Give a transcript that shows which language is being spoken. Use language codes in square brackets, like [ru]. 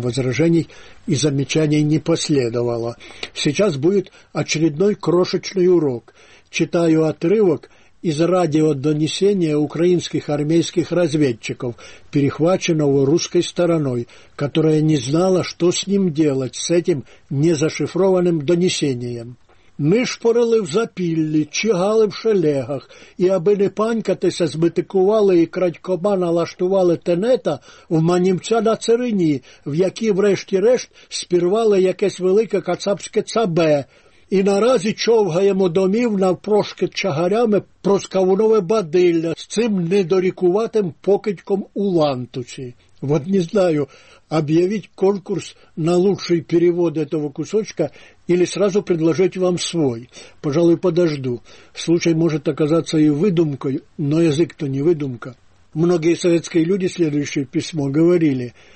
[ru] Возражений и замечаний не последовало. Сейчас будет очередной крошечный урок. Читаю отрывок из радиодонесения украинских армейских разведчиков, перехваченного русской стороной, которая не знала, что с ним делать, с этим незашифрованным донесением. [uk] «Ми шпорили в запіллі, чигали в шелегах, і аби не панькатися, збитикували і крадькома налаштували тенета в манімця на царині, в якій врешті-решт спірвали якесь велике кацапське цабе». І наразі човгаємо домів навпрошки чагарями проскавунове бадилля з цим недорікуватим покидьком у лантусі. [ru] Вот не знаю, об'явіть конкурс на лучший перевод этого кусочка или сразу предложить вам свой. Пожалуй, подожду. Случай может оказаться и выдумкой, но язык-то не выдумка. Многие советские люди, следующее письмо, говорили,